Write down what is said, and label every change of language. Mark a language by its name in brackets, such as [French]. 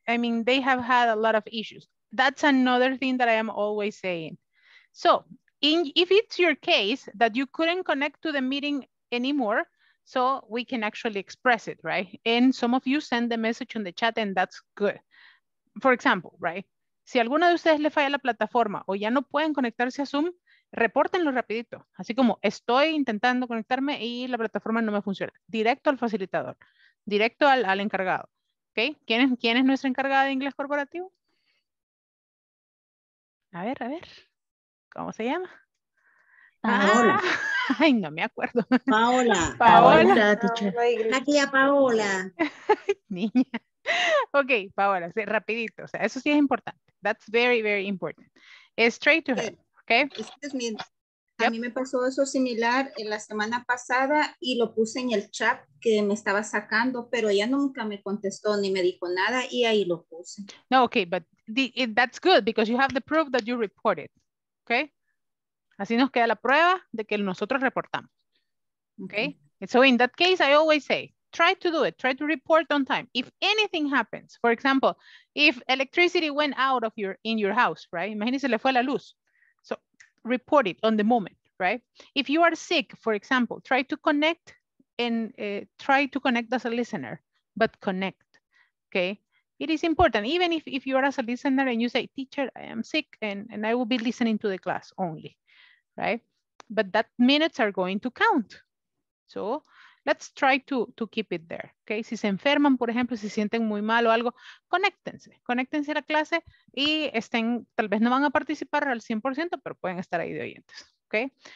[English] I mean, they have had a lot of issues. That's another thing that I am always saying. So in, if it's your case that you couldn't connect to the meeting anymore, so we can actually express it, right? And some of you send the message in the chat and that's good. For example, right? [Spanish] Si alguno de ustedes le falla la plataforma o ya no pueden conectarse a Zoom, repórtenlo rapidito. Así como estoy intentando conectarme y la plataforma no me funciona. Directo al facilitador, directo al, al encargado. Okay. ¿Quién es nuestra encargada de inglés corporativo? A ver, ¿cómo se llama? Paola. Ah, ay, no me acuerdo. Paola. Paola. Aquí a Paola. Niña. Ok, Paola, sí, rapidito. O sea, eso sí es importante. [English] That's very, very important. Straight to her. Okay. Excuse me. Yep. [Spanish] A mí me pasó eso similar en la semana pasada y lo puse en el chat que me estaba sacando, pero ella nunca me contestó ni me dijo nada y ahí lo puse. [English] No, okay, but that's good because you have the proof that you reported, okay? [Spanish] Así nos queda la prueba de que nosotros reportamos, okay? [English] Mm-hmm. So in that case, I always say, try to do it. Try to report on time. If anything happens, for example, if electricity went out of your in your house, right? [Spanish] Imagínese, le fue la luz. [English] So report it on the moment, right? If you are sick, for example, try to connect and try to connect as a listener, but connect, okay? It is important, even if you are as a listener and you say, teacher, I am sick and I will be listening to the class only, right? But that minutes are going to count. So let's try to keep it there, okay? [Spanish] Si se enferman, por ejemplo, si sienten muy mal o algo, conéctense, conéctense a la clase y estén, tal vez no van a participar al 100%, pero pueden estar ahí de oyentes, okay?